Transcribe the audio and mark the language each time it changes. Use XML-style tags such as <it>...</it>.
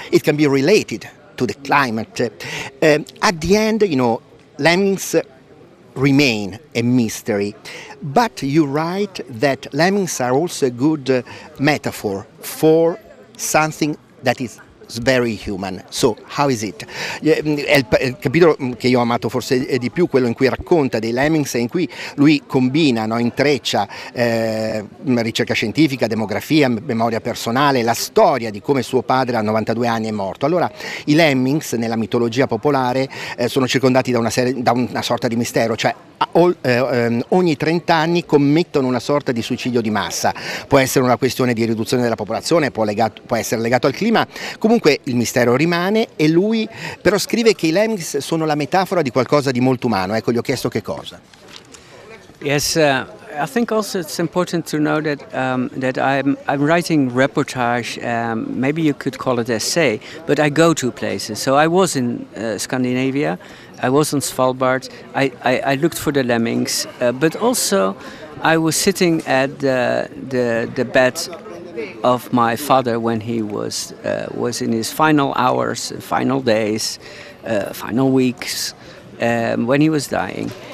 <en>It can be related to the climate. At the end, lemmings remain a mystery, but you write that lemmings are also a good metaphor for something that is very human. So how is it?</en> <it>È il capitolo che io ho amato forse di più, quello in cui racconta dei lemmings e in cui lui combina, intreccia ricerca scientifica, demografia, memoria personale, la storia di come suo padre a 92 anni è morto. Allora, i lemmings nella mitologia popolare sono circondati da una sorta di mistero, cioè ogni 30 anni commettono una sorta di suicidio di massa. Può essere una questione di riduzione della popolazione, può essere legato al clima. Comunque il mistero rimane, e lui però scrive che i lemmings sono la metafora di qualcosa di molto umano. Ecco, gli ho chiesto che cosa.</it> <en>Yes, I think also it's important to know that that I'm writing reportage, maybe you could call it essay, but I go to places. So I was in Scandinavia, I was on Svalbard, I looked for the lemmings, but also I was sitting at the bed of my father when he was in his final hours, final days, final weeks, when he was dying.</en>